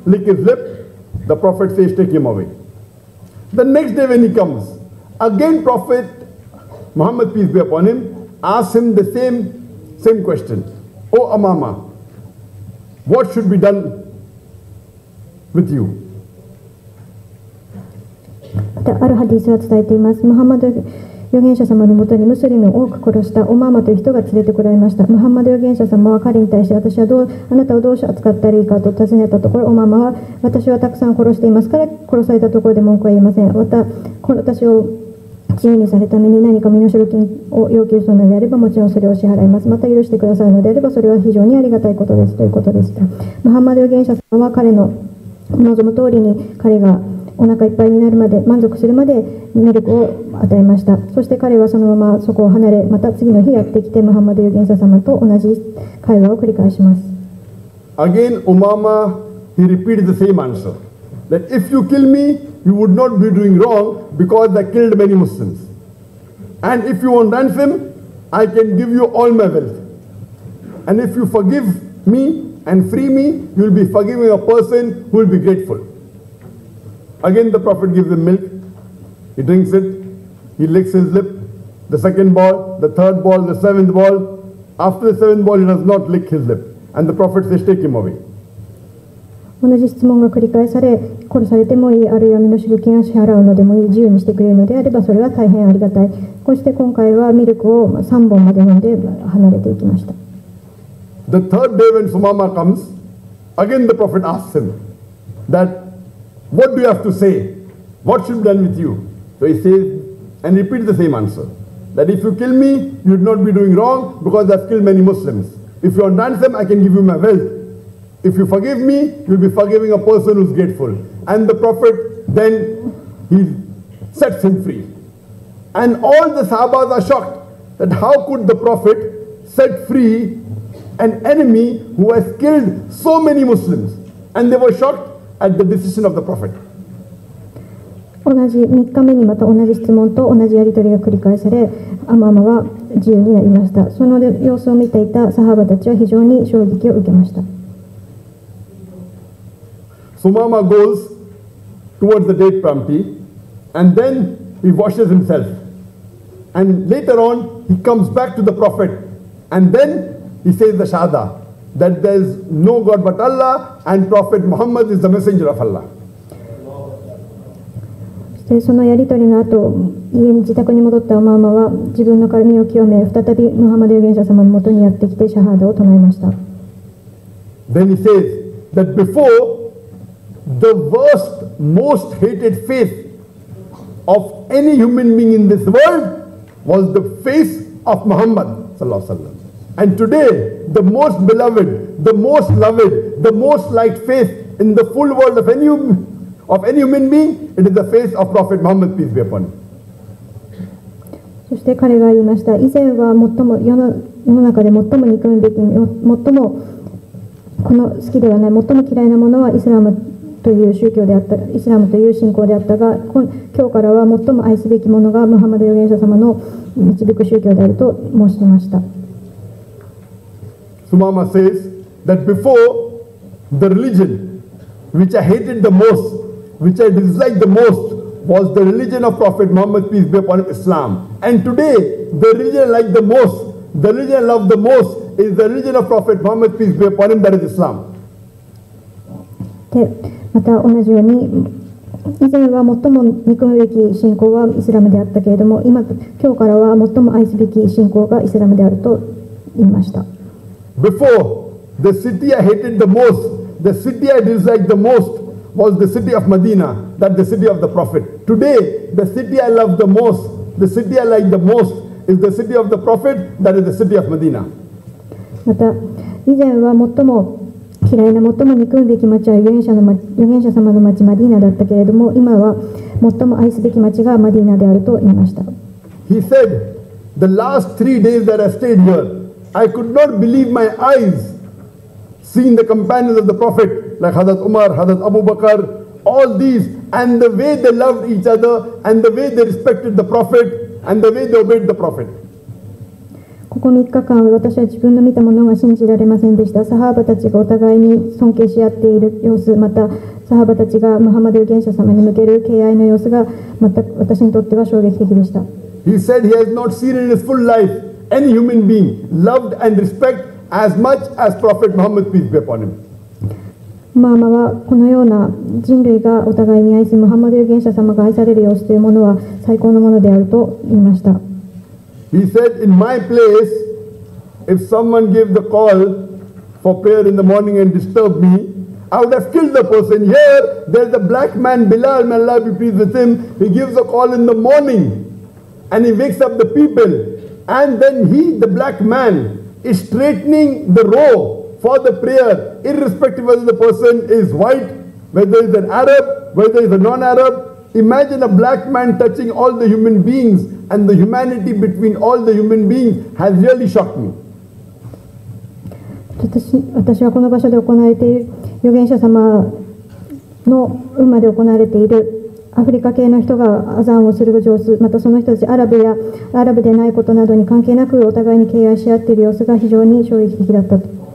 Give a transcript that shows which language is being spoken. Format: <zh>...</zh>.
<en>Lick his lip, the Prophet says, take him away. The next day when he comes, again Prophet Muhammad, peace be upon him, asks him the same question. O Umama, what should be done with you?</en> <ja>あるハディスは伝えています。ムハンマド預言者様のもとにムスリムを多く殺したオマーマという人が連れてこられました。ムハンマド預言者様は彼に対して、私はどうあなたをどうし扱ったらいいかと尋ねたところ、オマーマは私はたくさん殺していますから殺されたところで文句は言いません。また私を自由にされたために何か身代金を要求するのであれば、もちろんそれを支払います。また許してくださるのであれば、それは非常にありがたいことですということでした。ムハンマド預言者様は彼の望む通りに、彼がお腹いっぱいになるまで、満足するまでミルクを与えました。そして彼はそのままそこを離れ、また次の日やってきて、ムハンマド預言者様と同じ会話を繰り返します。</ja> <en>Again, Umama, he repeated the same answer. That if you kill me, you would not be doing wrong because I killed many Muslims. And if you want ransom, I can give you all my wealth. And if you forgive me and free me, you will be forgiving a person who will be grateful. Again, the Prophet gives him milk. He drinks it. He licks his lip. The second ball, the third ball, the seventh ball. After the seventh ball, he does not lick his lip. And the Prophet says, take him away.</en> <ja>同じ質問が繰り返され、殺されてもいい、あるいは身の代金を支払うのでもいい、自由にしてくれるのであれば、それは大変ありがたい。こうして今回はミルクを3本まで飲んで離れていきました。</ja> <en>The third day when Sumama comes, again the Prophet asks him that,What do you have to say? What should be done with you? So he says, and repeats the same answer, that if you kill me, you'd not be doing wrong because I've killed many Muslims. If you want ransom, I can give you my wealth. If you forgive me, you'll be forgiving a person who's grateful. And the Prophet, then he sets him free. And all the Sahabas are shocked that how could the Prophet set free an enemy who has killed so many Muslims? And they were shocked.</en> <ja>同じ3日目にまた同じ質問と同じやり取りが繰り返され、アマーマは自由になりました。その様子を見ていたサハバたちは非常に衝撃を受けました。</ja> <en>So Mama goes towards the date palm tree and then he washes himself and later on he comes back to the prophet and then he says the shahada. That there is no God but Allah and Prophet Muhammad is the messenger of Allah.</en> <ja>そしてそのやり取りの後、家に自宅に戻ったオマーマは自分の髪を清め、再びムハンマド預言者様のもとにやってきてシャハードを唱えました。</ja> <en>Then he says that before the worst, most hated faith of any human being in this world was the faith of Muhammad</en> <ar>sallallahu alaihi wasallam.</ar> <en>And today, the most beloved, the most loved, the most liked faith in the full world of any human being, it is the faith of Prophet Muhammad, peace be upon him.</en> <ja>そして彼が言いました。以前は最も世の中で最も憎むべき、最もこの好きではない、最も嫌いなものはイスラムという宗教であった、イスラムという信仰であったが、今日からは最も愛すべきものがムハンマド預言者様の導く宗教であると申しました。</ja> <en>Sumama says that before the religion which I hated the most, which I disliked the most, was the religion of Prophet Muhammad, peace be upon him, Islam. And today, the religion I like the most, the religion I love the most, is the religion of Prophet Muhammad, peace be upon him, that is Islam.</en> <ja>また同じように以前は最も憎むべき信仰はイスラムであったけれども、今日からは最も愛すべき信仰がイスラムであると言いました。</ja> <en>Before, the city I hated the most, the city I disliked the most, was the city of Medina, that the city of the Prophet. Today, the city I love the most, the city I like the most, is the city of the Prophet, that is the city of Medina.</en> <ja>また、以前は最も嫌いな、最も憎むべき町は預言者様の町マディーナだったけれども、今は最も愛すべき町がマディーナであると言いました。</ja> <en>He said, the last three days that I stayed here,I could not believe my eyes seeing the companions of the Prophet like Hazrat Umar, Hazrat Abu Bakr, all these, and the way they loved each other, and the way they respected the Prophet, and the way they obeyed the Prophet.</en> <ja>ここ3日間、私は自分の見たものが信じられませんでした。サハーバたちがお互いに尊敬し合っている様子、またサハーバたちがムハンマド預言者様に向ける敬愛の様子が、また私にとっては衝撃的でした。</ja> <en>He said he has not seen in his full life. Any human being loved and respected as much as Prophet Muhammad, peace be upon him.</en> <ja>まあまあこのような人類がお互いに愛し、ムハンマド預言者様が愛される様子というものは最高のものであると言いました。</ja> <en>He said, in my place, if someone gave the call for prayer in the morning and disturbed me, I would have killed the person. Here, there's a black man, Bilal, may Allah be pleased with him. He gives a call in the morning and he wakes up the people. And then he, the black man, is straightening the row for the prayer, irrespective whether the person is white, whether he's an Arab, whether he's a non-Arab. Imagine a black man touching all the human beings, and the humanity between all the human beings has really shocked me.</en> <ja>私はこの場所で行われている預言者様の運まで行われているアフリカ系の人がアザンをする様子、またその人たちアラブでないことなどに関係なくお互いに敬愛し合っている様子が非常に衝撃的だったと。</ja>